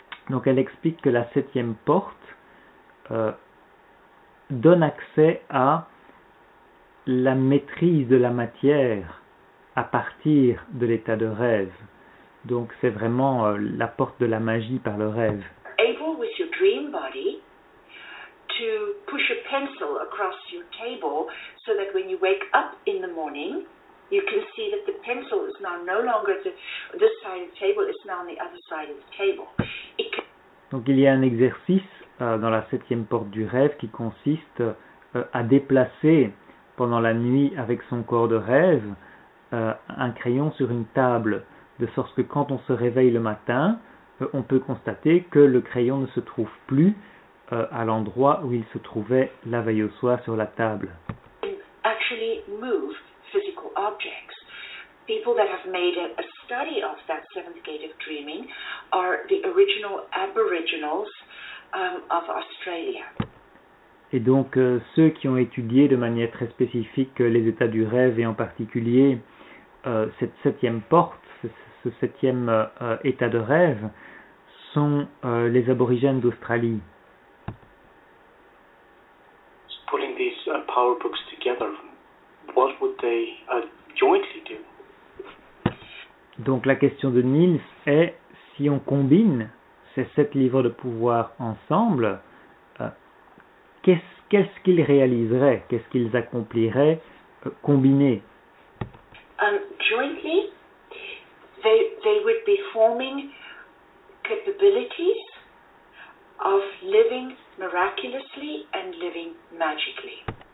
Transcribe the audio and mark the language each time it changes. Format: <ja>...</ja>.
<fr>Donc, elle explique que la septième porte donne accès à la maîtrise de la matière à partir de l'état de rêve. Donc c'est vraiment la porte de la magie par le rêve.</fr> <en>Able with your dream body to push a pencil across your table so that when you wake up in the morning, you can see that the pencil is now no longer this side of the table, it's now on the other side of the table.</en> <fr>Donc il y a un exercice dans la septième porte du rêve qui consiste à déplacer pendant la nuit avec son corps de rêve un crayon sur une table, de sorte que quand on se réveille le matin, on peut constater que le crayon ne se trouve plus à l'endroit où il se trouvait la veille au soir sur la table.</fr> <en>Actually move physical objects. People that have made a study of that seventh gate of dreaming are the original aboriginals of Australia.</en> <fr>Et donc ceux qui ont étudié de manière très spécifique les états du rêve et en particulier cette septième porte, ce septième état de rêve, sont les aborigènes d'Australie.</fr> <en>Putting these power books together, what would they jointly do?</en> <fr>Donc la question de Niels est, si on combine ces sept livres de pouvoir ensemble, qu'est-ce qu'ils réaliseraient, qu'est-ce qu'ils accompliraient combinés?</fr> <en>Jointly, they would be forming capabilities of living miraculously and living magically.</en>